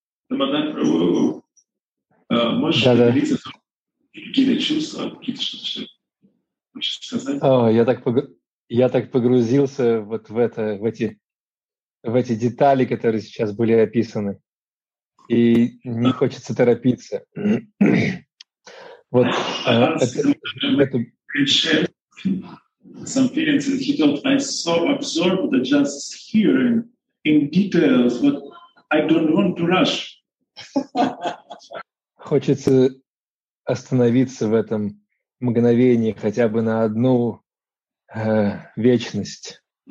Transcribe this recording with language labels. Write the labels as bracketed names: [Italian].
[Russian] Дамодар Прабху, можешь поделиться какие-то чувства, какие-то что-то хочешь сказать? Я так погрузился вот в это, в эти детали, которые сейчас были описаны. И не хочется торопиться. Вот, [English] some feelings that he told I so absorbed that just hearing in details, but I don't want to rush. [Russian] Хочется остановиться в этом мгновении хотя бы на одну вечность.